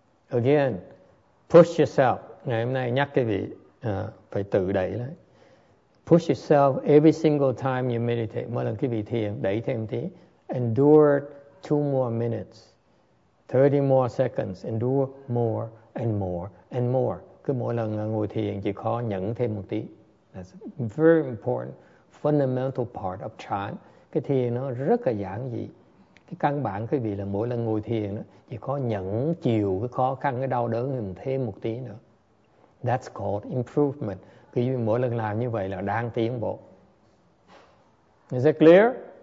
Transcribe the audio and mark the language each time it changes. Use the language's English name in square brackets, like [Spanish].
[English] Again, push yourself. [Vietnamese] Ngày hôm nay nhắc cái gì phải tự đẩy đấy. [English] Push yourself every single time you meditate. [Vietnamese] Mỗi lần quý vị thiền, đẩy thêm tí. [English] Endure 2 more minutes. 30 more seconds. Endure more and more [Vietnamese] and more. Cứ mỗi lần ngồi thiền, chỉ khó nhẫn thêm một tí. [English] That's a very important, fundamental part of chan. [Vietnamese] Cái thiền nó rất là giản dị. Cái căn bản quý vị là mỗi lần ngồi thiền, chỉ khó nhẫn chịu cái khó khăn, cái đau đớn thêm một tí nữa. [English] That's called improvement. [Vietnamese] Quý vị mỗi lần làm như vậy là đang tiến bộ. [English] Is that clear?